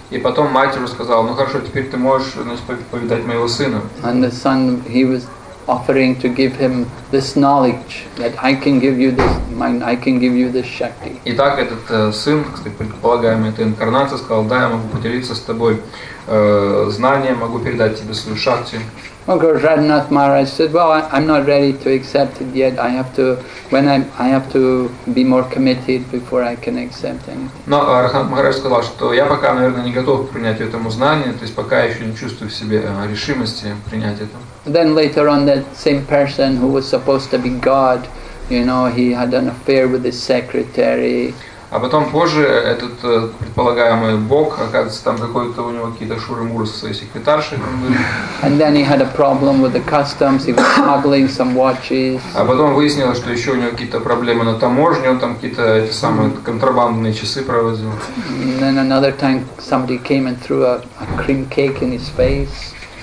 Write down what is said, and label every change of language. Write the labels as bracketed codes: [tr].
[ru] И потом матерь сказала, ну хорошо, теперь ты можешь, значит, повидать моего сына. [en] And the son, he was offering to give him this knowledge that I can give you this mind, I can give you this shakti. [ru] И так этот сын, кстати, предполагаемый, эта инкарнация, сказал, да, я могу поделиться с тобой знанием, могу передать тебе свою шакти. [en] Okay, Radhanath Maharaj said, well, I'm not ready to accept it yet. I have to be more committed before I can accept anything. [ru] Но Радханат Махарадж сказал, что я пока, наверное, не готов к принятию этому знания, то есть пока я еще не чувствую в себе решимости принять это. [en] Then later on, that same person who was supposed to be God, you know, he had an affair with his secretary. [ru] А потом позже этот предполагаемый Бог, оказывается, там какой-то у него какие-то шуры-муры со своей секретаршей. [en] And then he had a problem with the customs. He was smuggling some watches. [ru] А потом выяснилось, что еще у него какие-то проблемы на таможне. Он там какие-то эти самые контрабандные часы проводил. [en] And then another time, somebody came and threw a cream cake in his face.